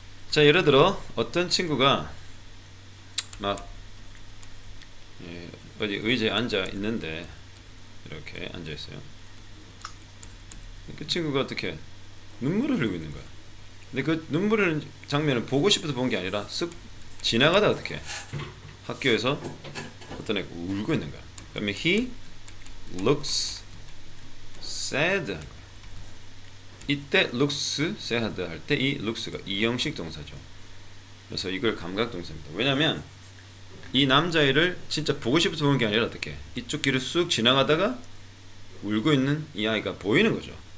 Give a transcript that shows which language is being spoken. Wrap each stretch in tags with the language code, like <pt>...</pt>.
<ko>자, 예를 들어 어떤 친구가 막 어디 의자에 앉아 있는데 이렇게 앉아 있어요. 그 친구가 어떻게 눈물을 흘리고 있는 거야. 근데 그 눈물을 장면을 보고 싶어서 본게 아니라 쓱 지나가다 어떻게 학교에서 어떤 애가 울고 있는 거야. 그러면</ko> <en>he looks sad.</en> <ko>이때</ko> <en>looks sad</en> <ko>할때이 looks가 이형식 동사죠. 그래서 이걸 감각 동사입니다. 왜냐면 이 남자애를 진짜 보고 싶어서 보는 게 아니라 어떻게 이쪽 길을 쑥 지나가다가 울고 있는 이 아이가 보이는 거죠.</ko>